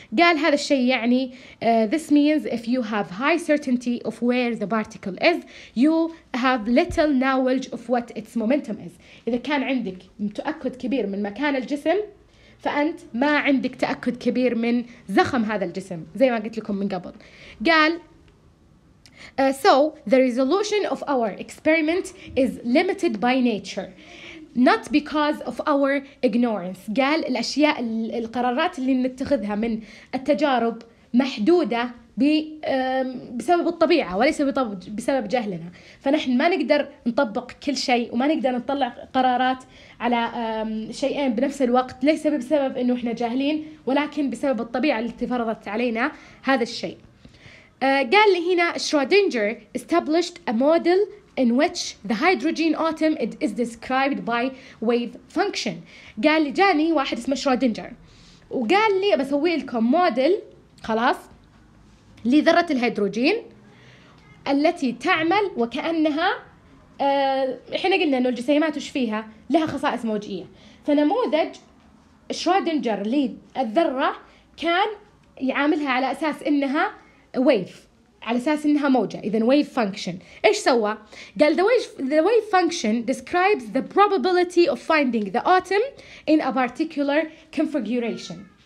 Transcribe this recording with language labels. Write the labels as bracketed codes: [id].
[ar] قال هذا الشيء يعني [en] this means if you have high certainty of where the particle is, you have little knowledge of what its momentum is. [ar] إذا كان عندك تأكد كبير من مكان الجسم فأنت ما عندك تأكد كبير من زخم هذا الجسم زي ما قلت لكم من قبل. قال [en] so the resolution of our experiment is limited by nature, not because of our ignorance. [ar] قال الأشياء القرارات اللي نتخذها من التجارب محدودة بسبب الطبيعة وليس بسبب جهلنا، فنحن ما نقدر نطبق كل شيء وما نقدر نطلع قرارات على شيئين بنفس الوقت، ليس بسبب إنه إحنا جاهلين ولكن بسبب الطبيعة التي فرضت علينا هذا الشيء. قال لي هنا [en] Schrodinger established a model in which the hydrogen atom is described by wave function. [ar] قال لي جاني واحد اسمه شرودينجر وقال لي بسوي لكم موديل خلاص لذرة الهيدروجين التي تعمل وكأنها احنا قلنا انه الجسيمات وش فيها لها خصائص موجية، فنموذج شرودينجر للذرة كان يعاملها على اساس انها ويف، على اساس انها موجة، اذا ويف فانكشن. ايش سوى؟ قال [en] the wave function describes the probability of finding the atom in a particular configuration.